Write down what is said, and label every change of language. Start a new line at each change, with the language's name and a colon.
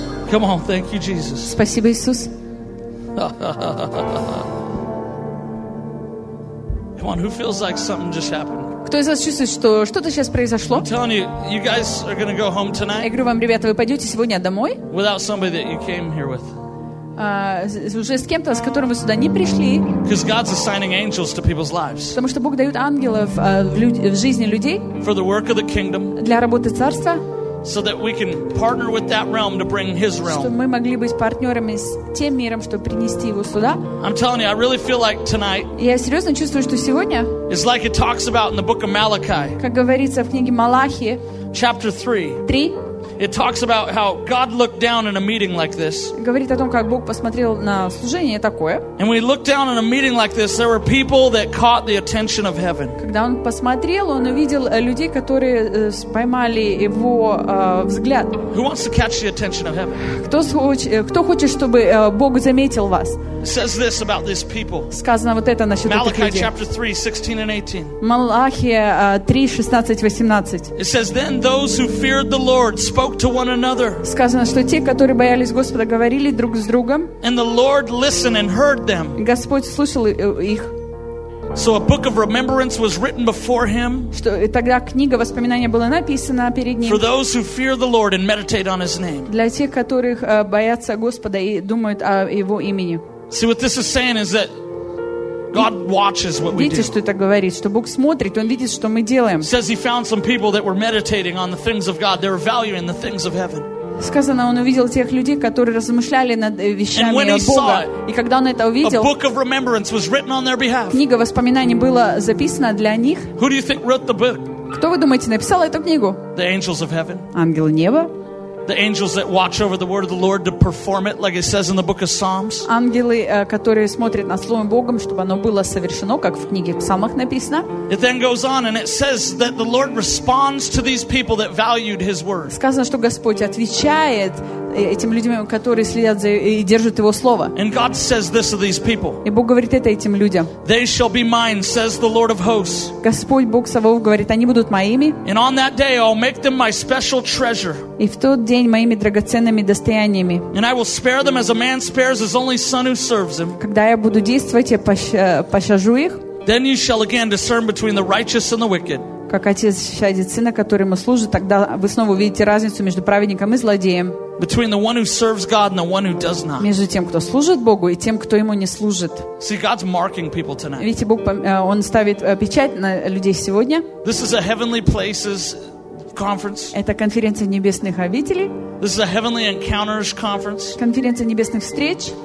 English: Come on, thank you, Jesus.
Russian: Спасибо, Иисус.
English: Come on, who feels like something just happened?
Russian: Кто из вас чувствует, что что-то сейчас произошло?
English: I'm telling you, you guys are gonna go home tonight.
Russian: Я говорю вам, ребята, вы пойдете сегодня домой?
English: Without somebody that you came here with.
Russian: Уже с кем-то, с которым вы сюда не пришли.
English: Because God's assigning angels to people's lives.
Russian: Потому что Бог дает ангелов в жизни людей.
English: For the work of the kingdom.
Russian: Для работы царства.
English: so that we can partner with that realm to bring His realm.
Russian: Чтобы мы могли быть партнерами с тем миром, чтобы принести его сюда.
English: I'm telling you, I really feel like tonight.
Russian: Я серьезно чувствую, что сегодня.
English: It's like it talks about in the book of Malachi.
Russian: Как говорится в книге Малахии.
English: Chapter 3. It talks about how God looked down in a meeting like this.
Russian: Говорит о том, как Бог посмотрел на служение такое.
English: And when He looked down in a meeting like this, there were people that caught the attention of heaven.
Russian: Когда он посмотрел, он увидел людей, которые поймали его взгляд.
English: Who wants to catch the attention of heaven?
Russian: Кто хочет, чтобы Бог заметил вас?
English: Says this about these people.
Russian: Сказано вот это насчет этих людей.
English: Malachi chapter 3:16-18.
Russian: Малахия 3:16-18.
English: It says, then those who feared the Lord spoke to one another.
Russian: Сказано, что те, которые боялись Господа, говорили друг с другом.
English: And the Lord listened and heard them.
Russian: Господь слушал их.
English: So a book of remembrance was written before him.
Russian: Что тогда книга воспоминания была написана перед ним.
English: For those who fear the Lord and meditate on His name.
Russian: Для тех, которых боятся Господа и думают о Его имени.
English: See what this is saying is that God watches what we do.
Russian: Видите, что это говорит, что Бог смотрит, он видит, что мы делаем.
English: Says He found some people that were meditating on the things of God. They were valuing the things of heaven.
Russian: Сказано, он увидел тех людей, которые размышляли над вещами Бога. И когда он это увидел,
English: a book of remembrance was written on their behalf.
Russian: Книга воспоминаний была записана для них.
English: Who do you think wrote the book?
Russian: Кто вы думаете написал эту книгу?
English: The angels of heaven.
Russian: Ангелы неба.
English: The angels that watch over the word of the Lord to perform it, like it says in the book of Psalms.
Russian: Ангелы, которые смотрят на Слово Богом, чтобы оно было совершено, как в книге Псалмах написано.
English: It then goes on and it says that the Lord responds to these people that valued His word.
Russian: Сказано, что Господь отвечает этим людям, которые следят за и держат Его Слово.
English: And God says this of these people.
Russian: И Бог говорит это этим людям.
English: They shall be mine, says the Lord of hosts.
Russian: Господь Бог Саваоф говорит, они будут моими.
English: And on that day I'll make them my special treasure.
Russian: И в тот день моими драгоценными достояниями.
English: And I will spare them as a man spares his only son who serves him.
Russian: Когда я буду действовать, я пощажу их.
English: Then you shall again discern between the righteous and the wicked.
Russian: Как отец щадит сына, который ему служит, тогда вы снова увидите разницу между праведником и злодеем.
English: Between the one who serves God and the one who does not.
Russian: Между тем, кто служит Богу, и тем, кто ему не служит.
English: See, God's marking people tonight.
Russian: Видите, Бог, он ставит печать на людей сегодня.
English: This is a heavenly places conference.
Russian: Это конференция небесных обителей.
English: This is a heavenly encounters conference.
Russian: Конференция небесных встреч.